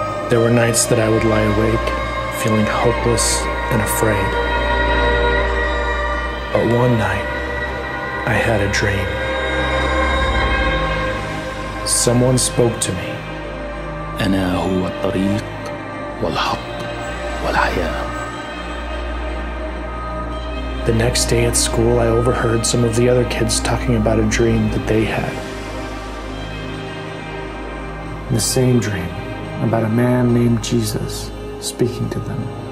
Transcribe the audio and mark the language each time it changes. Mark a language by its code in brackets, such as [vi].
[en] There were nights that I would lie awake, feeling hopeless and afraid. But one night, I had a dream. Someone spoke to me. [ar] أنا هو الطريق والحق والحياة. [en] The next day at school, I overheard some of the other kids talking about a dream that they had. The same dream about a man named Jesus speaking to them.